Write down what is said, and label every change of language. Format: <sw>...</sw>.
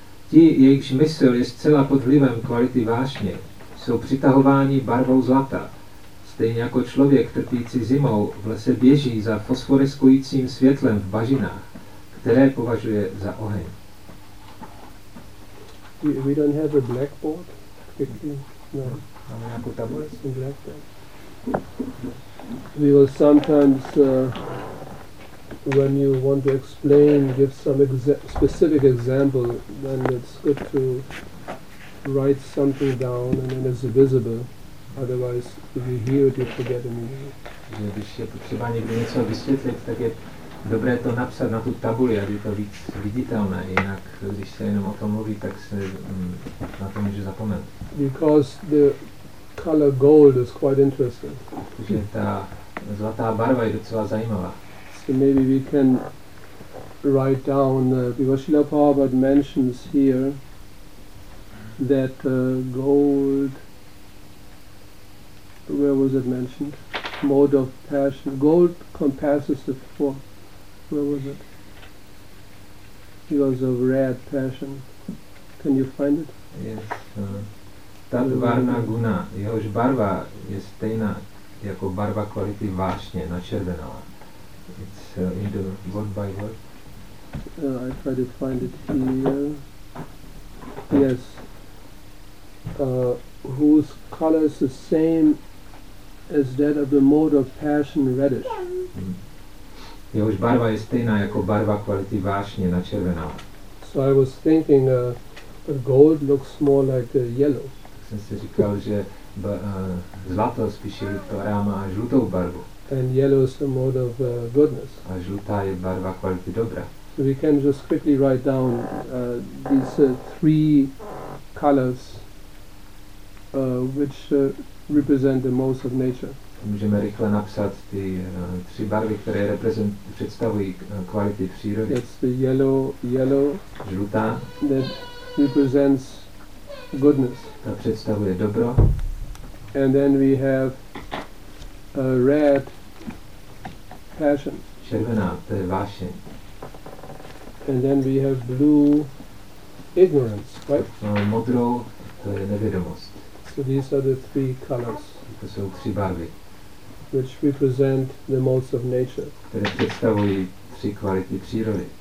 <cs>Ti, jejichž mysl je zcela pod vlivem kvality vášně, jsou přitahováni barvou zlata. Stejně jako člověk trpící zimou v lese běží za fosforeskujícím světlem v bažinách, které považuje za oheň.</cs> <en>We don't have a blackboard.</en> <cs>Máme nějakou tabuli?</cs> <en>We will sometimes, when you want to explain, give some specific example, then it's good to write something down and then it's visible. Otherwise, if you hear it, you forget immediately.</en> <cs>Že když je potřeba někdy něco vysvětlit, tak je dobré to napsat na tu tabuli, aby to víc viditelné. Jinak, když se jenom o tom mluví, tak se na to může zapomenout.</cs> <en>Because the color gold is quite interesting.</en> <cs>Protože ta zlatá barva je docela zajímavá.</cs> <en>So maybe we can write down, because Srila Prabhupada mentions here that gold, where was it mentioned? Mode of passion. Gold compasses the four. Where was it? Because of red passion. Can you find it? Yes.</en> <cs>Tadvarna guna, jehož barva je stejná jako barva kvality vášně, načervenala.</cs> <en>It's in the word by word. I try to find it here. Yes. Whose color is the same as that of the mode of passion reddish.</en> <cs>Jehož barva je stejná jako barva kvality vášně na červená.</cs> <en>So I was thinking the gold looks more like a yellow.</en> <cs>Jsem si říkal, že zlato spíše vypadá má žlutou barvu.</cs> <en>and yellow is the mode of goodness.</en> <cs>A žlutá je barva kvality dobra.</cs> <en>So we can just quickly write down these three colors which represent the most of nature.</en> <cs>Můžeme rychle napsat ty tři barvy, které představují kvality přírody.</cs> <en>That's the yellow.</en> <cs>Žlutá.</cs> <en>That represents goodness.</en> <cs>Ta představuje dobro.</cs> <en>And then we have a red, passion.</en> <cs>Červená, to je vášeň.</cs> <en>And then we have blue, ignorance, right?</en> <cs>Modrou, to je nevědomost.</cs> <en>So these are the three colors.</en> <cs>To jsou tři barvy,</cs> <en>which represent the modes of nature.</en> <cs>Které představují tři kvality přírody.</cs>